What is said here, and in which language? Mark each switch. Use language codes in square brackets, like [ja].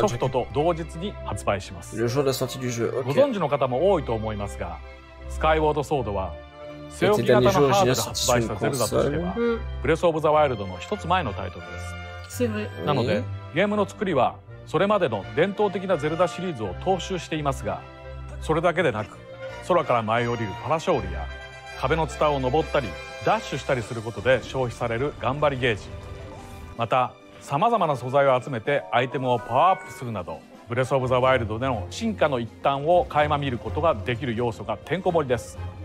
[ja] ソフトと同日に発売します。 [fr] le jour de la sortie du jeu。 [ja] ご存知の方も多いと思いますが、スカイウォードソードは [fr] C'était le dernier jeu où j'ai sorti sur une console. [ja] Breath of the Wild の一つ前のタイトルです。 [fr] C'est vrai. [ja] なので、ゲームの作りはそれまでの伝統的なゼルダシリーズを踏襲していますが、それだけでなく、空から舞い降りるパラショールや壁のツタを登ったりダッシュしたりすることで消費される頑張りゲージ、また様々な素材を集めてアイテムをパワーアップするなど、Breath of the Wild での進化の一端を垣間見ることができる要素がてんこ盛りです。